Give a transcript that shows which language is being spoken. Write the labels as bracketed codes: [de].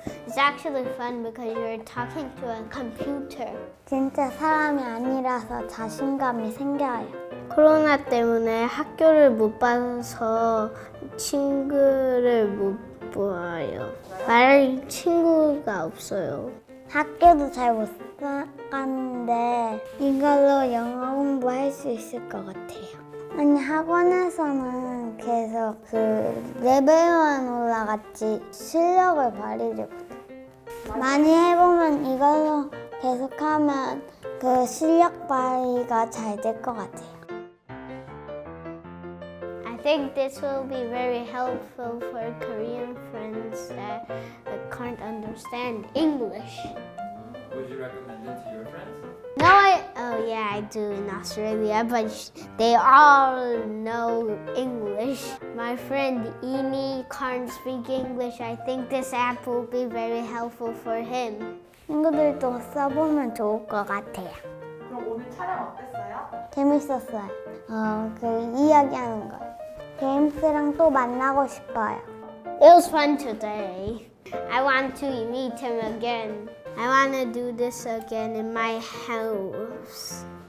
[en] It's actually fun because you're talking to a computer. [ko] 진짜 사람이 아니라서 자신감이 생겨요. 코로나 때문에 학교를 못 봐서 친구를 못 보아요. 말할 친구가 없어요. 학교도 잘 못 가는데 이걸로 영어 공부할 수 있을 것 같아요. 아니 학원에서는 계속 그 레벨만 올라갔지 실력을 발휘를 많이 해보면 이걸로 계속하면 그 실력 발휘가 잘 될 것 같아요. [en] I think this will be very helpful for Korean friends that can't understand English. Would you recommend it to your friends? No, I do in Australia, but they all know English. My friend Imi can't speak English. I think this app will be very helpful for him. [ko] 친구들도 써보면 좋을 것 같아요. 그럼 오늘 촬영 어땠어요? 재밌었어요. 그 이야기하는 거. 제임스랑 또 만나고 싶어요. [en] It was fun today. I want to meet him again. I want to do this again in my house.